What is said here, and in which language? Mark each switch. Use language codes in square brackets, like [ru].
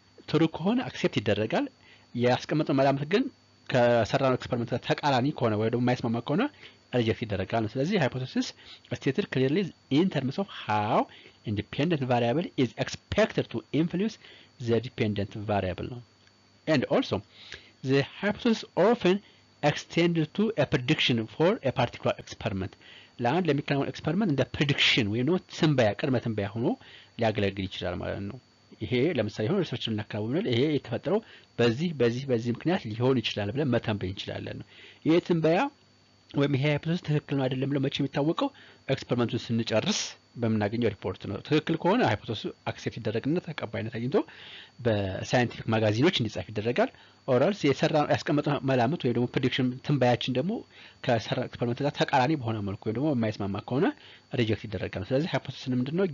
[am] ትሩ ከሆነ አክሴፕት ይደረጋል። ያስቀመጠው መላምት ግን ከሰራነው ኤክስፐሪመንት ተቃራኒ ከሆነ ወይ ደግሞ የማይስማማ ከሆነ ሪጀክት ይደረጋል ነው። ስለዚህ [en] ሃይፖቴሲስ ስቴትድ ክሊርሊ ኢን ተርምስ ኦፍ ሃው independent variable is expected to influence the dependent variable. And also, the hypothesis often extends to a prediction for a particular experiment. [am] ለአንድ ለሚከናወን experiment እንደ prediction ወይ ነው ትንበያ ቅድመ ትንበያ ሆኖ ሊያገለግል ይችላል ማለት ነው። ይሄ ለምሳሌ ሆኖ research እናከናውናለን ይሄ የተፈጠረው በዚህ ምክንያት ሊሆን ይችላል ብለን መተንበይ እንችላለን ነው። ይሄ ትንበያ ወይም ይሄ ሃይፖቴሲስ ትክክል ነው አይደለም ለማለት የሚታወቀው experimentን ስንጨርስ በምናገኘው ሪፖርት ነው። ትክክል ከሆነ ሃይፖቴሲስ አክሴፕት ይደረግና ተቀባይነት አግኝቶ በሳይንቲፊክ ማጋዚኖች እንዲጻፍ ይደረጋል። ኦራልስ የሰራ ያስቀመጠው መላምት ወይ ደግሞ ፕሪዲክሽን ትንበያችን ደግሞ ከሰራ ኤክስፐሪመንት ጋር ተቃራኒ በሆነ መልኩ ወይ ደግሞ የማይስማማ ከሆነ ሪጀክት ይደረጋል። ስለዚህ ሃይፖቴሲስ ምንድነው?